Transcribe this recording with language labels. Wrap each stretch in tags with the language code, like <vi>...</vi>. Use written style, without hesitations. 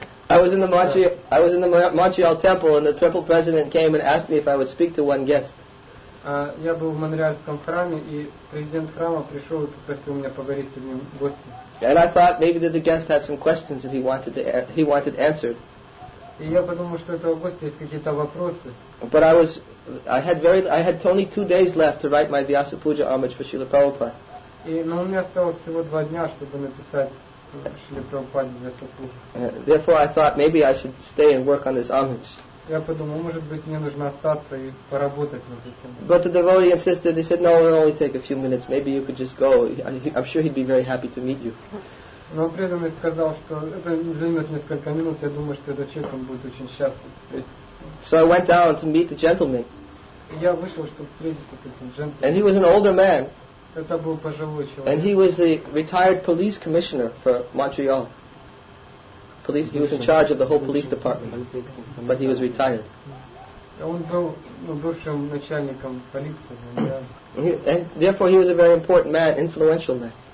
<en>I was in the Montreal temple, and the triple president came and asked me if I would speak to one guest.</en> <ru>Я был в Монреальском храме, и президент храма пришел и попросил меня поговорить с одним гостем.</ru> <en>And I thought maybe that the guest had some questions that he wanted answered.</en> <ru>И я подумал, что этого гостя есть какие-то вопросы.</ru> <en>But I had only 2 days left to write my Vyasa Puja homage for Srila Prabhupada.</en> <ru>И но у меня осталось всего 2 дня, чтобы написать Шрила Прабхупаде Vyasa Puja.</ru> <en>Therefore, I thought maybe I should stay and work on this homage.</en> <ru>Я подумал, может быть, мне нужно остаться и поработать над этим.</ru> <en>But the devotee insisted. They said, "No, it'll only take a few minutes. Maybe you could just go. I'm sure he'd be very happy to meet you."</en> <ru>Но преданный сказал, что это займет несколько минут. Я думаю, что этот человек будет очень счастлив встретиться.</ru> <en>So I went down to meet the gentleman.</en> <ru>Я вышел, чтобы встретиться с этим джентльменом.</ru> <en>And he was an older man.</en> <ru>Это был пожилой человек.</ru> <en>And he was a retired police commissioner for Montreal. Police, he was in charge of the whole police department, but he was retired. And therefore, he was a very important man, influential man.</en>